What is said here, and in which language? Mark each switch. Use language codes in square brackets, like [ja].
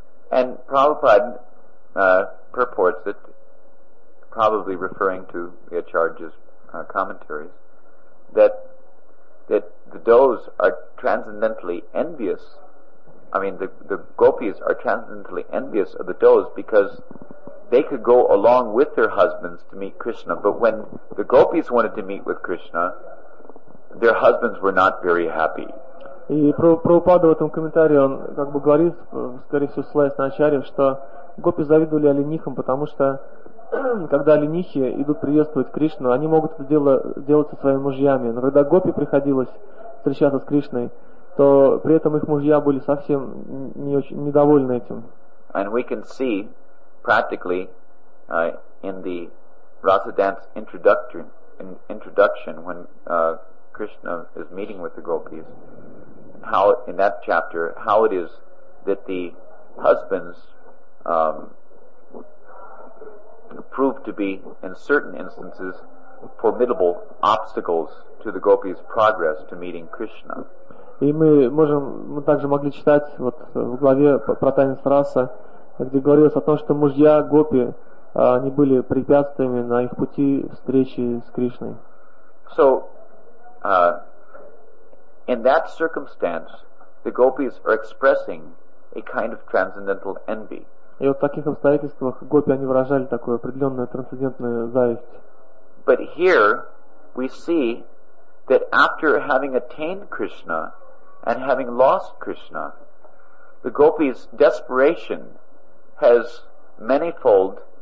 [en] And Prabhupada purports it, probably referring to the Acharya's commentaries, that the does are transcendentally envious. I mean, the gopis are transcendentally envious of the does because they could go along with their husbands to meet Krishna. But when the gopis wanted to meet with Krishna, their husbands were not very happy. [ru] И Прабхупада в этом комментарии, он как бы говорит, скорее всего, ссылаясь на Ачарью, что гопи завидовали оленихам, потому что когда оленихи идут приветствовать Кришну, они могут это делать со своими мужьями. Но когда гопи приходилось встречаться с Кришной, то при этом их мужья были совсем не очень недовольны этим. [en] And we can see practically in the Rasa dance introduction when Krishna is meeting with the gopis, how in that chapter how it is that the husbands prove to be in certain instances formidable obstacles to the gopis' progress to meeting Krishna. [ru] И мы также могли читать вот в главе про танец Раса, где говорилось о том, что мужья гопи они были препятствиями на их пути встречи с Кришной. [en] So, in that circumstance, the gopis are expressing a kind of transcendental envy. [ru] И вот в таких обстоятельствах гопи они выражали такую определенную трансцендентную зависть. [en] But here we see that after having attained Krishna and having lost Krishna, the gopis' desperation has manifold.